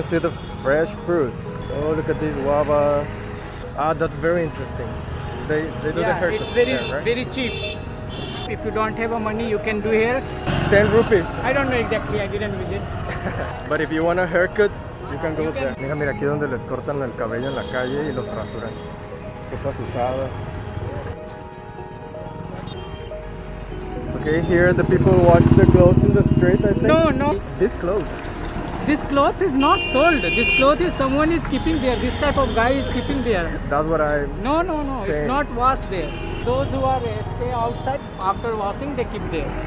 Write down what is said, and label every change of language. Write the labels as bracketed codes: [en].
[en] You can see the fresh fruits. Oh, look at these guava. Ah, that's very interesting. They do yeah, the haircut. It's very, there, right? Very cheap. If you don't have a money, you can do here. 10 rupees. I don't know exactly, I didn't visit. But if you want a haircut, you can go there. [es] Mira, mira, aquí donde les cortan el cabello en la calle y los rasuran. Cosas usadas. [en] Okay, here the people wash their clothes in the street, I think. No, no. This clothes. This clothes is not sold. This clothes is someone is keeping there. This type of guy is keeping there. That's what I. No, no, no. Saying. It's not washed there. Those who are stay outside after washing, they keep there.